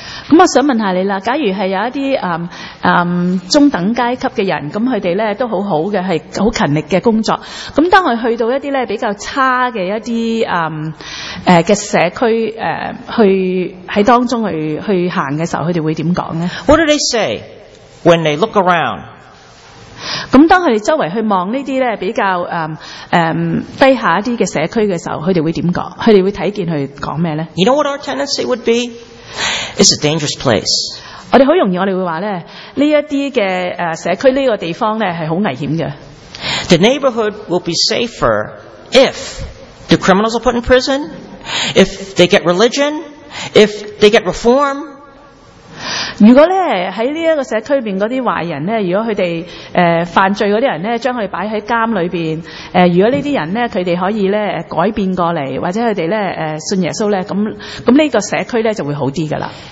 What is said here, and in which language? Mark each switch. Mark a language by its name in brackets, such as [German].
[Cantonese] 咁我想問下你啦，假如係有一啲中等階級嘅人，咁佢哋咧都好好嘅，係好勤力嘅工作。咁當佢去到一啲咧比較差嘅一啲嘅社區去喺當中去行嘅時候，佢哋會點講咧 [English] ？What do they say when they look around? [Cantonese] 咁当佢哋周围去望呢啲咧比较低下一啲嘅社区嘅时候，佢哋会点讲？佢哋会睇见佢讲咩咧 [English] ？You know what our tendency would be? It's a dangerous place. [Cantonese] 我哋好容易，我哋会话咧呢一啲嘅社区呢个地方咧系好危险嘅。 [English] The neighborhood will be safer if the criminals are put in prison, if they get religion, if they get reform. [Cantonese] 如果咧喺呢一个社区边嗰啲坏人咧，如果佢哋犯罪嗰啲人咧，将佢哋摆喺监里边，如果呢啲人咧，佢哋可以咧改变过嚟，或者佢哋咧信耶稣咧，咁呢个社区咧就会好啲噶啦。